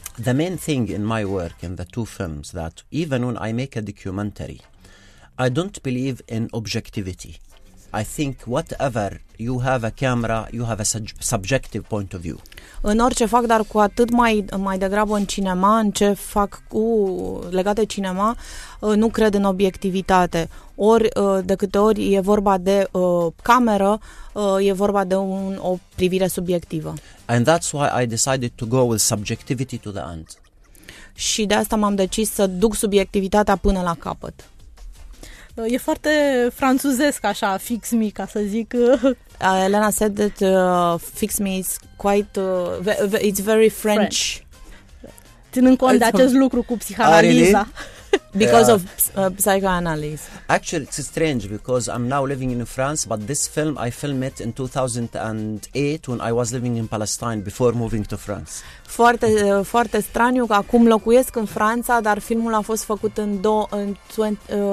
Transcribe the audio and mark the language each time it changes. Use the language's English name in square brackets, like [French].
[English] The main thing in my work, in the two films, that even when I make a documentary, I don't believe in objectivity. I think whatever you have a camera, you have a subjective point of view. [Romanian] În orice fac, dar cu atât mai degrabă în cinema, în ce fac cu legate cinema, nu cred în obiectivitate. Ori de câte ori e vorba de cameră, e vorba de o privire subiectivă. [English] And that's why I decided to go with subjectivity to the end. [Romanian] Și de asta m-am decis să duc subiectivitatea până la capăt. E foarte franțuzesc, așa, fix me, ca să zic. [English] Elena said that fix me is quite, it's very French. [Romanian] Ținând cont de acest lucru cu psihanaliza. [English] Because of psychoanalysis. Actually, it's strange because I'm now living in France, but this film, I filmed it in 2008 when I was living in Palestine before moving to France. [Romanian] Foarte, foarte straniu că acum locuiesc în Franța, dar filmul a fost făcut în 2008.